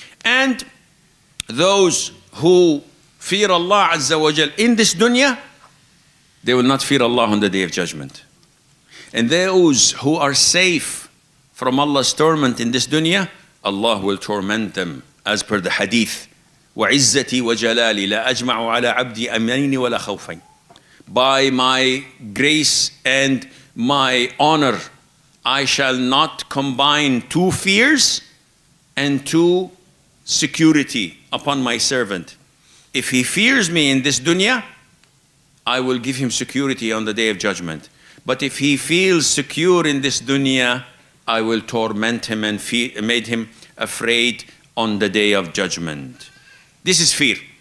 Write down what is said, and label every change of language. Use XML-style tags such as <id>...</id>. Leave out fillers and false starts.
<en>And those who fear Allah Azza wa Jal in this dunya, they will not fear Allah on the day of judgment. And those who are safe from Allah's torment in this dunya, Allah will torment them as per the hadith.</en> <ar>وعزتي وجلالي لا أجمع على عبدي أمنين ولا خوفين.</ar> <en>By my grace and my honor, I shall not combine two fears and two security upon my servant. If he fears me in this dunya, I will give him security on the day of judgment. But if he feels secure in this dunya, I will torment him and made him afraid on the day of judgment. This is fear.</en>